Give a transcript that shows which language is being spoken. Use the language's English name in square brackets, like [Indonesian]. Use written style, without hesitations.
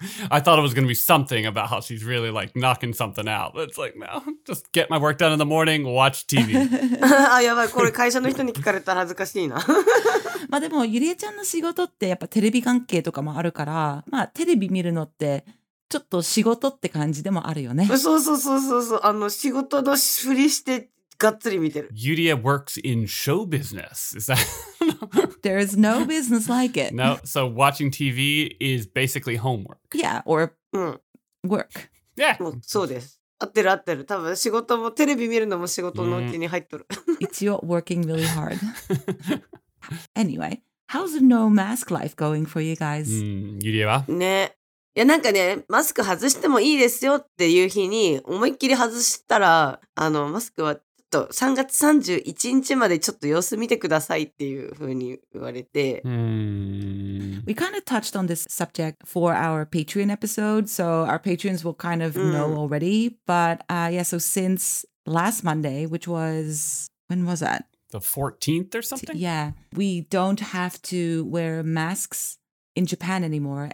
[English] I thought it was going to be something about how she's really like knocking something out. But it's like, no, just get my work done in the morning, watch TV. [Japanese] あ、やばい。これ会社の人に聞かれたら恥ずかしいな。まあでも、ゆりえちゃんの仕事ってやっぱテレビ関係とかもあるから、まあテレビ見るのってちょっと仕事って感じでもあるよね。そう。あの仕事のふりして。がっつり見てる。 [English] Yuria works in show business. Is that? There is no business like it. No, so watching TV is basically homework. Yeah, or work. Yeah. [Japanese] そうです。合ってる合ってる。多分仕事もテレビ見るのも仕事のうちに入っとる。 [English] It's your working really hard. Anyway, how's the no mask life going for you guys? [Japanese] ゆりえは？ね。いやなんかね、マスク外してもいいですよっていう日に思いっきり外したら、あのマスクは3月31日までちょっと様子見てくださいっていう風に言われて、 [English] We kind of touched on this subject for our Patreon episode, so our patrons will kind of know already. But yeah, so since last Monday, which was, when was that? The 14th or something? Yeah, we don't have to wear masks in Japan anymore.